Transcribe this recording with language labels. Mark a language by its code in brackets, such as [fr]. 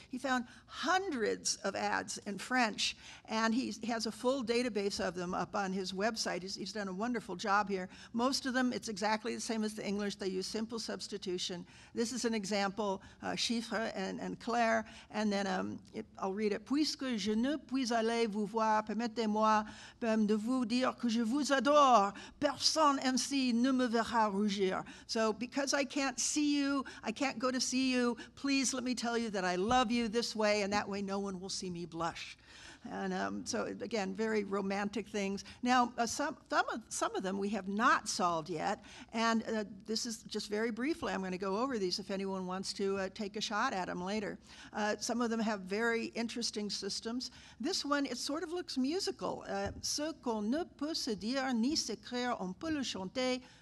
[en] He found hundreds of ads in French, and he has a full database of them up on his website. He's done a wonderful job here. Most of them, it's exactly the same as the English. They use simple substitution. This is an example, chiffre and Claire, and then I'll read it. [fr] Puisque je ne puis aller vous voir, permettez-moi même de vous dire que je vous adore. Personne ainsi ne me verra rougir. [en] So because I can't see you, I can't go to see you, please let me tell you that I love you this way, and that way no one will see me blush. And so, again, very romantic things. Now, some of them we have not solved yet, and this is just very briefly. I'm going to go over these if anyone wants to take a shot at them later. Some of them have very interesting systems. This one, it sort of looks musical. [fr] Ce qu'on ne peut se dire ni s'écrire, on peut le chanter.